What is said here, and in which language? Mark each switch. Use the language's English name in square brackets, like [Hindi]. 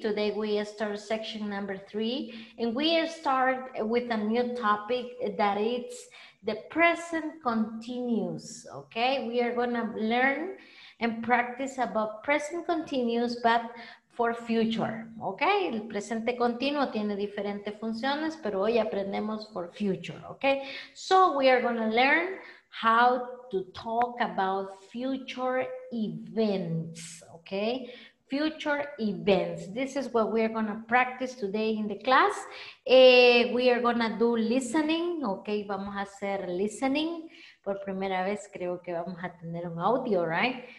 [English] Today we start section number 3 and we start with a new topic that it's the present continuous. Okay, we are going to learn and practice about present continuous but for future. [Spanish] Okay, el presente continuo tiene diferentes funciones, pero hoy aprendemos [English] for future. Okay, so we are going to learn how to talk about future events. Okay, future events. This is what we are going to practice today in the class. We are going to do listening, okay? [Spanish] Vamos a hacer [English] listening. [Spanish] Por primera vez creo que vamos a tener un audio, [English] right?